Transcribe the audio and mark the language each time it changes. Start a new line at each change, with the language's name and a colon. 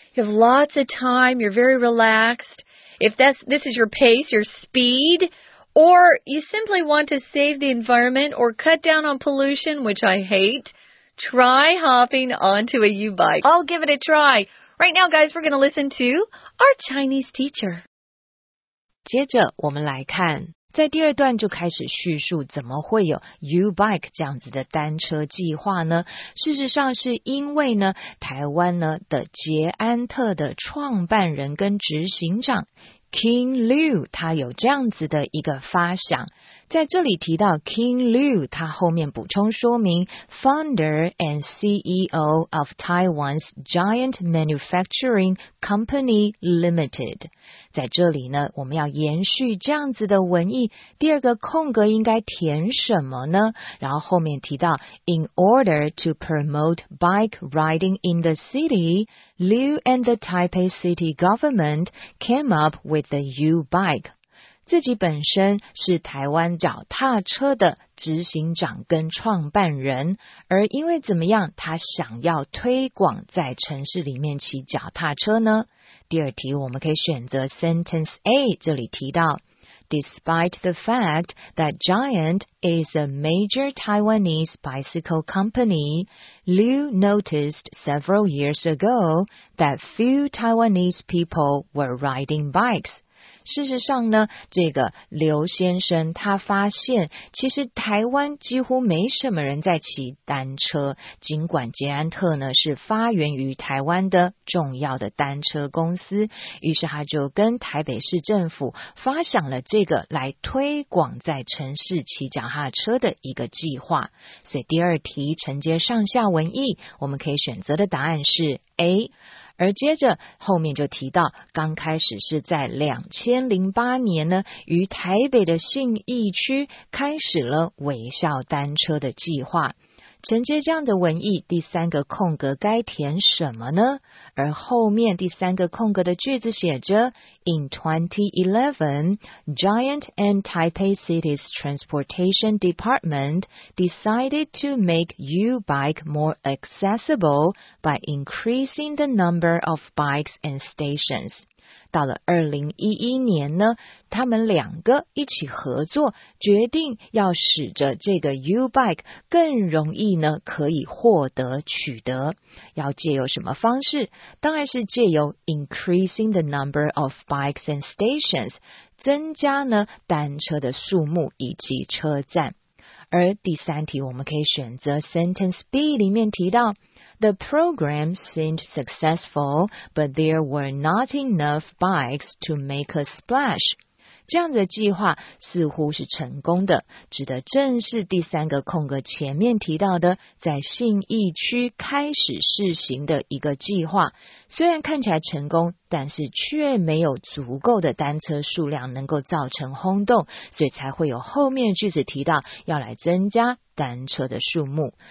English: You have lots of time. You're very relaxed. If this is your pace, your speed, or you simply want to save the environment or cut down on pollution, which I hate, try hopping onto a U-bike. I'll give it a try. Right now, guys, we're going to listen to our Chinese teacher.
Chinese: 接着我们来看。在第二段就开始叙述怎么会有 U-bike 这样子的单车计划呢? 事实上是因为呢，台湾呢的捷安特的创办人跟执行长 K King Liu 他有这样子的一个发想。在这里提到 King Liu， 他后面补充说明
English: Founder and CEO of Taiwan's Giant Manufacturing Company Limited。
Chinese: 在这里呢，我们要延续这样子的文意，第二个空格应该填什么呢？然后后面提到
English: In order to promote bike riding in the city, Liu and the Taipei City Government came up with the U-Bike。
Chinese: 自己本身是台湾脚踏车的执行长跟创办人，而因为怎么样，他想要推广在城市里面骑脚踏车呢？第二题我们可以选择
English: Sentence A，
Chinese: 这里提到
English: Despite the fact that Giant is a major Taiwanese bicycle company, Liu noticed several years ago that few Taiwanese people were riding bikes。
Chinese: 事实上呢，这个刘先生他发现其实台湾几乎没什么人在骑单车，尽管捷安特呢是发源于台湾的重要的单车公司，于是他就跟台北市政府发想了这个来推广在城市骑脚踏车的一个计划。所以第二题承接上下文意，我们可以选择的答案是 A。而接着后面就提到，刚开始是在2008年呢，于台北的信义区开始了微笑单车的计划。承接这样的文意，第三个空格该填什么呢？而后面第三个空格的句子写着
English: In 2011, Giant and Taipei City's Transportation Department decided to make U-Bike more accessible by increasing the number of bikes and stations.
Chinese: 到了2011年呢，他们两个一起合作，决定要使着这个 U-Bike 更容易呢可以获得取得。要借由什么方式？当然是借由
English: increasing the number of bikes and stations，
Chinese: 增加呢单车的数目以及车站。而第三题我们可以选择
English: Sentence B
Chinese: 里面提到
English: The program seemed successful, but there were not enough bikes to make a splash.
Chinese: 这样的计划似乎是成功的，指的正是第三个空格前面提到的在信义区开始试行的一个计划。虽然看起来成功，但是却没有足够的单车数量能够造成轰动，所以才会有后面句子提到要来增加单车的数目。